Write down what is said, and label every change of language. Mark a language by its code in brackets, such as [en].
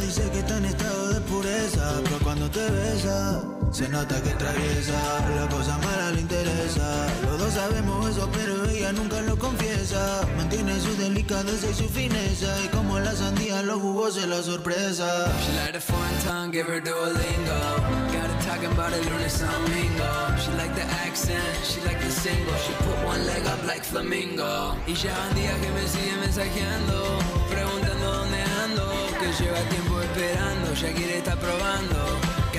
[es] Dice que está en estado de pureza, pero cuando te besa se nota que traviesa. La cosa mala le interesa, los dos sabemos eso, pero ella nunca lo confiesa. Mantiene su delicadeza y su fineza, y como la sandía, lo jugoso es la sorpresa. [en] She like the foreign tongue, give her Duolingo. Got her talking about it [es] lunes a domingo. [en] She like the accent, she like the single. She put one leg up like flamingo. [es] Y ya van días que me sigue mensajeando, preguntando dónde ando. Que lleva tiempo esperando, ya quiere estar probando.